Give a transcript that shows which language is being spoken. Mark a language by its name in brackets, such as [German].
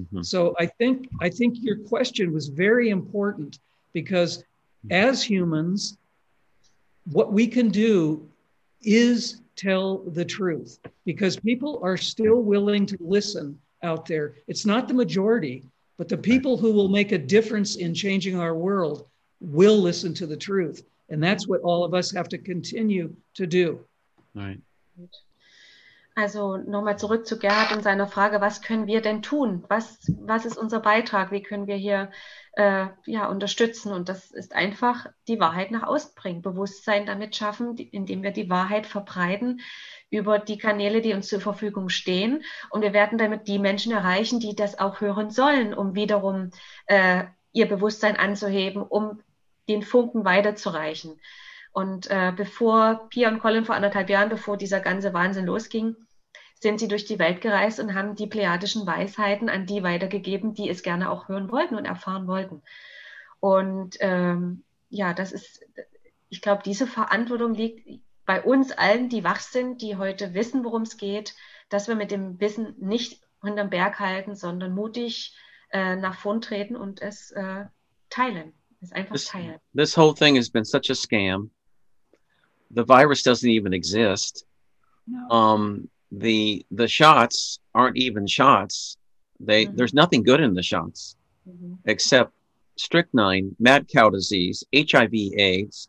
[English] So I think your question was very important because as humans, what we can do is tell the truth because people are still willing to listen out there. It's not the majority, but the people who will make a difference in changing our world will listen to the truth. And that's what all of us have to continue to do. Right. [German] Also nochmal zurück zu Gerhard und seiner Frage, was können wir denn tun? Was ist unser Beitrag? Wie können wir hier unterstützen? Und das ist einfach die Wahrheit nach außen bringen, Bewusstsein damit schaffen, indem wir die Wahrheit verbreiten über die Kanäle, die uns zur Verfügung stehen. Und wir werden damit die Menschen erreichen, die das auch hören sollen, um wiederum ihr Bewusstsein anzuheben, um den Funken weiterzureichen. Und bevor Pia und Colin vor anderthalb Jahren, bevor dieser ganze Wahnsinn losging, sind sie durch die Welt gereist und haben die plejadischen Weisheiten an die weitergegeben, die es gerne auch hören wollten und erfahren wollten. Und das ist, ich glaube, diese Verantwortung liegt bei uns allen, die wach sind, die heute wissen, worum es geht, dass wir mit dem Wissen nicht hinterm Berg halten, sondern mutig nach vorn treten und es teilen. [English] This whole thing has been such a scam. The virus doesn't even exist. No. The shots aren't even shots. There's nothing good in the shots, except strychnine, mad cow disease, HIV, AIDS.